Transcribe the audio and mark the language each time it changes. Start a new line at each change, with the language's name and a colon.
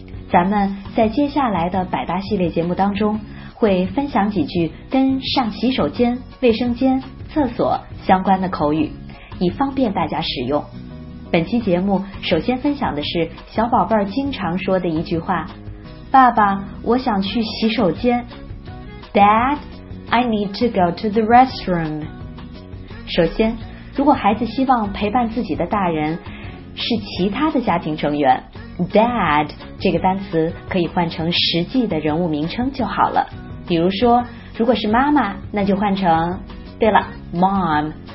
Chinese: 咱们在接下来的百搭系列节目当中，会分享几句跟上洗手间、卫生间、厕所相关的口语，以方便大家使用。本期节目首先分享的是小宝贝儿经常说的一句话，爸爸，我想去洗手间。
English: Dad, I need to go to the restroom.
Chinese: 首先，如果孩子希望陪伴自己的大人是其他的家庭成员， Dad 这个单词可以换成实际的人物名称就好了。比如说，如果是妈妈，那就换成，对了， Mom。